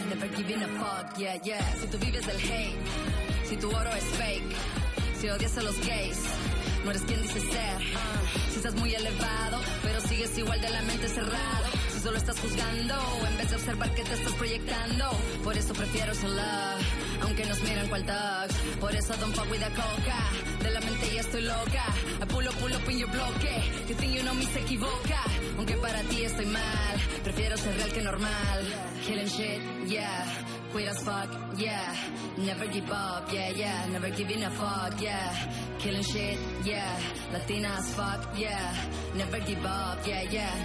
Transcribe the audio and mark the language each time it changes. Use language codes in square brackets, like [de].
[en] Never giving a fuck, yeah, yeah. [es] Si tú vives del hate, si tu oro es fake, si odias a los gays, no eres quien dices ser. Si estás muy elevado, pero sigues igual de la mente cerrado. Si solo estás juzgando, en vez de observar que te estás proyectando. Por eso prefiero ser love, aunque nos miran cual thugs. Por eso [en] don't fuck with the [es] coca, de la mente ya estoy loca. [en] I pull up in your bloque, you think you know me, [es] se equivoca. Aunque para ti estoy mal, prefiero ser real que normal. [en] Killing shit, yeah. Queer as fuck, yeah. Never give up, yeah, yeah. Never giving a fuck, yeah. Killing shit, yeah. Latina as fuck, yeah. Never give up, yeah, yeah.